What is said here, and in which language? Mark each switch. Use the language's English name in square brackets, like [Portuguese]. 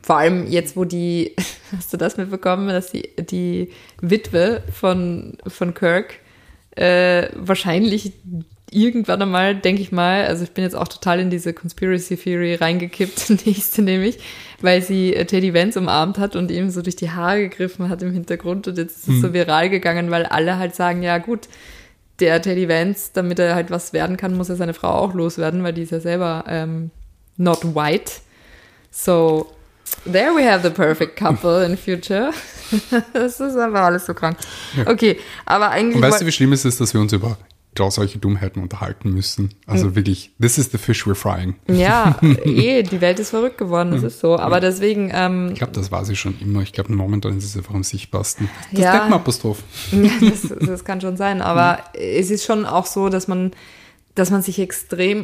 [German] Vor allem jetzt, wo die, hast du das mitbekommen, dass die Witwe von Kirk wahrscheinlich irgendwann einmal, denke ich mal, also ich bin jetzt auch total in diese Conspiracy Theory reingekippt, nächste nämlich, weil sie Teddy Vance umarmt hat und ihm so durch die Haare gegriffen hat im Hintergrund und jetzt ist es so viral gegangen, weil alle halt sagen, ja gut, der Teddy Vance, damit er halt was werden kann, muss er seine Frau auch loswerden, weil die ist ja selber [English] not white. So, there we have the perfect couple in future. [German] Das ist einfach alles so krank. Ja. Okay, aber eigentlich... Und weißt du, wie schlimm es ist, dass wir uns über solche Dummheiten unterhalten müssen. Also wirklich, [English] this is the fish we're frying. [German] Ja, die Welt ist verrückt geworden, das ist so. Aber deswegen... ich glaube, das war sie schon immer. Ich glaube, momentan ist es einfach am sichtbarsten. Das ist ein Apostroph. Das kann schon sein. Aber es ist schon auch so, dass man sich extrem...